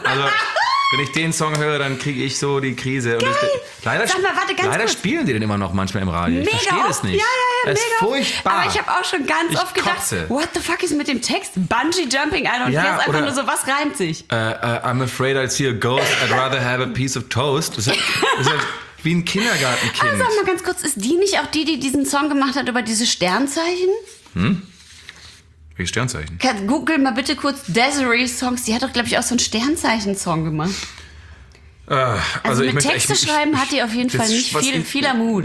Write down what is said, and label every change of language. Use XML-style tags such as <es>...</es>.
<de>Also, wenn ich den Song höre, dann kriege ich so die Krise. Geil. Leider spielen die denn immer noch manchmal im Radio. Mega, ich verstehe das nicht. Ja, das ist furchtbar. Aber ich habe auch schon ganz oft gedacht,</de> <en>what the fuck</en> <de>ist mit dem Text?</de> <en>Bungee jumping, I don't care.</en> <de>Ist einfach nur so, was reimt sich?</de> <en>I'm afraid I'll see a ghost. I'd rather have a piece of toast.</en> <de>Das ist wie ein Kindergartenkind. Aber sag mal ganz kurz, ist die nicht auch die diesen Song gemacht hat über diese Sternzeichen? Welche Sternzeichen? Google mal bitte kurz Desiree Songs. Die hat doch, glaube ich, auch so einen Sternzeichen-Song gemacht. Also mit Texte schreiben hat die auf jeden Fall nicht viel, vieler Mut.</de>